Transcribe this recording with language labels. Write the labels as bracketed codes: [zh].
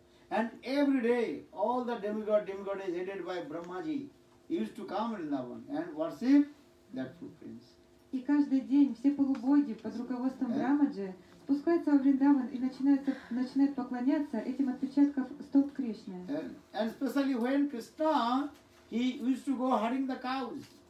[en] And every day, all the demigod, demigodes headed by Brahmaji used to come in Vrindavan and worship that footprints. [ru] И каждый день все полубоги под руководством Брамаджи спускаются во Вриндаван и начинают поклоняться этим отпечаткам стоп Кришны. [en] And especially when Krishna, he used to go herding the cows.